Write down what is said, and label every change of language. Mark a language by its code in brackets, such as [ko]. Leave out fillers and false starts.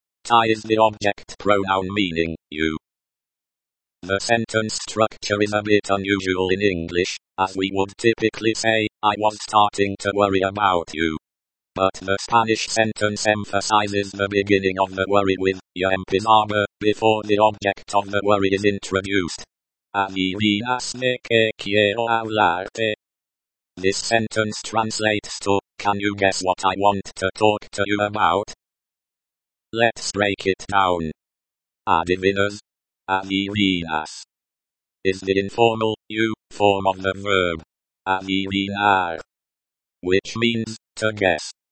[en] Ti is the object pronoun meaning you. The sentence structure is a bit unusual in English, as we would typically say, I was starting to worry about you. But the Spanish sentence emphasizes the beginning of the worry with [es] ya empezaba, [en] before the object of the worry is introduced. [es] Adivinas de que quiero hablarte. [en] This sentence translates to, can you guess what I want to talk to you about? Let's break it down. Adivinas, adivinas, is the informal, you, form of the verb, adivinar, which means, to guess.